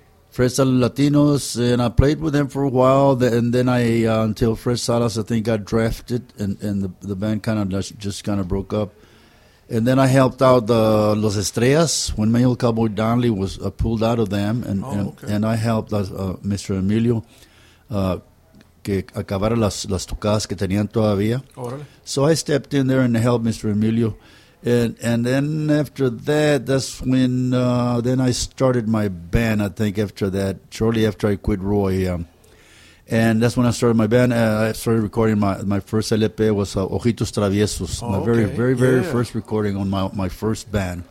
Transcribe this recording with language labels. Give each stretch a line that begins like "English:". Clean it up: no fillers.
English: Fred Salas Latinos, and I played with them for a while, and then until Fred Salas, I think, got drafted, and the band kind of just broke up. And then I helped out the Los Estrellas when Manuel Cowboy Donnelly was pulled out of them, and I helped Mr.
Spanish: Emilio que acabara las tocadas que tenían todavía.
English: So I stepped in there and helped Mr. Emilio. And then after that, that's when then I started my band, I think, after that, shortly after I quit Roy. And that's when I started my band. I started recording my first LP was Ojitos Traviesos, very, very first recording on my first band.